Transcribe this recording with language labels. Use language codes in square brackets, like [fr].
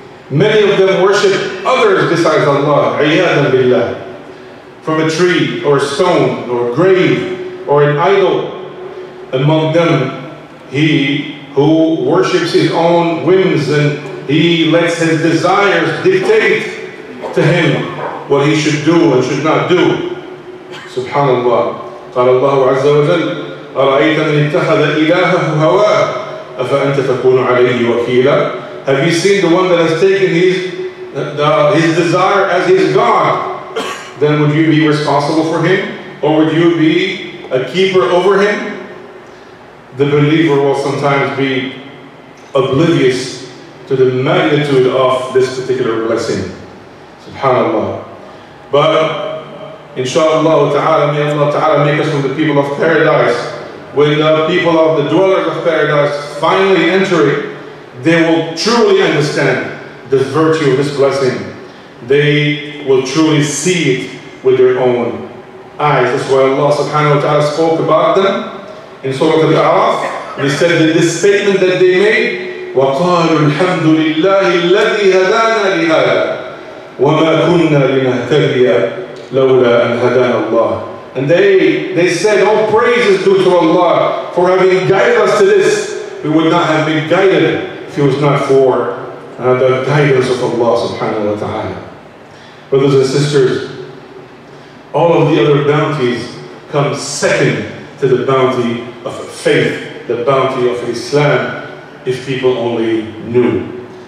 [en] Many of them worship others besides Allah, [ar] عياذا بالله, [en] from a tree or a stone or a grave or an idol. Among them, he who worships his own whims and he lets his desires dictate to him what he should do and should not do. SubhanAllah. [ar] قال الله عز وجل أرأيت من اتخذ إلهه هواه أفأنت تكون عليه وكيلا. [en] Have you seen the one that has taken his desire as his God? Then would you be responsible for him? Or would you be a keeper over him? The believer will sometimes be oblivious to the magnitude of this particular blessing. SubhanAllah. But inshallah ta'ala, may Allah ta'ala make us from the people of paradise. When the people of the dwellers of paradise finally enter it, they will truly understand the virtue of this blessing. They will truly see it with their own eyes. That's why Allah subhanahu wa ta'ala spoke about them in Surah Al-A'raf. He said that this statement that they made, [ar] وقالوا الحمد لله الذي هدانا لهذا وما كنا لنهتدي لولا أن هدانا الله. [en] And they said, all praises due to Allah for having guided us to this. We would not have been guided if it was not for the guidance of Allah subhanahu wa ta'ala. Brothers and sisters, all of the other bounties come second to the bounty of faith, the bounty of Islam, if people only knew.